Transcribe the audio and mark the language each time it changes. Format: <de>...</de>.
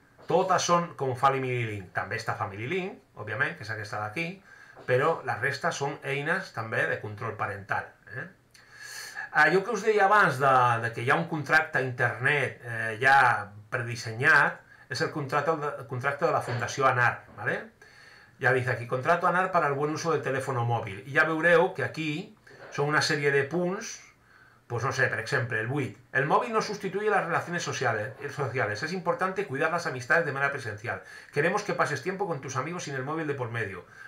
<ca>Totes són com FamilyLink. També està FamilyLink, òbviament, que és aquesta d'aquí, però la resta són eines també de control parental. Allò que us deia abans de que hi ha un contracte a internet ja predissenyat és el contracte de la Fundació ANAR, ¿vale?</ca> <es>Ja dice aquí, contrato ANAR para el buen uso del teléfono móvil.</es> <ca>I ja veureu que aquí són una sèrie de punts, pues no sé, per exemple, el 8.</ca> <es>El mòbil no sustituye las relaciones sociales. Es importante cuidar las amistades de manera presencial. Queremos que pases tiempo con tus amigos sin el móvil de por medio.</es>